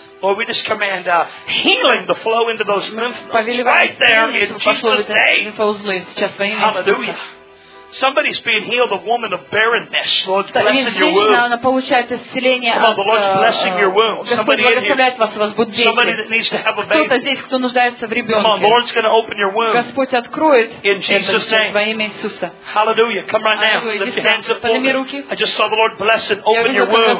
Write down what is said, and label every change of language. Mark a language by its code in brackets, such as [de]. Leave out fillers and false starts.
[en] Lord, we just command healing the flow into those lymph nodes right there in Jesus' name. Hallelujah. Somebody's being healed, a woman of barrenness. Lord's blessing your womb. [ru] Она получает исцеление. [en] Come on, the Lord's blessing your womb. [ru] Господь благословляет вас, у вас будут дети. [en] Somebody that needs to have a baby. [ru] Кто-то здесь, кто нуждается в ребенке. [en] Come on, Lord's going to open your womb. [ru] Господь откроет. [en] In Jesus' name. [ru] Во имя Иисуса. [en] Hallelujah. Come right now. Lift your hands up. [ru] Подними руки. [en] I just saw the Lord bless and open your womb.